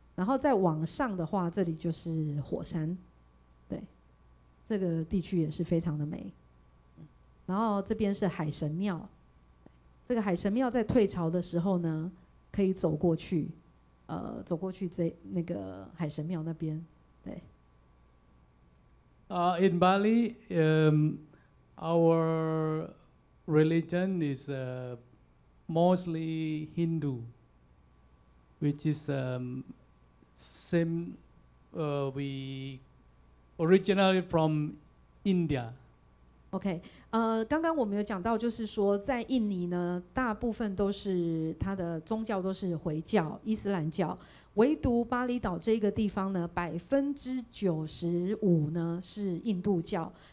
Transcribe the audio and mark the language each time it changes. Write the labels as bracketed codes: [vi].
[zh] 然后再往上的话，这里就是火山，对，这个地区也是非常的美。然后这边是海神庙，这个海神庙在退潮的时候呢。可以走过去，走过去这那个海神庙那边，对。 [en] In Bali, our religion is mostly Hindu, which is same. We originally from India. [zh] Okay, 刚刚我们有讲到，就是说在印尼呢，大部分都是它的宗教都是回教、伊斯兰教，唯独巴厘岛这个地方呢，95%呢是印度教。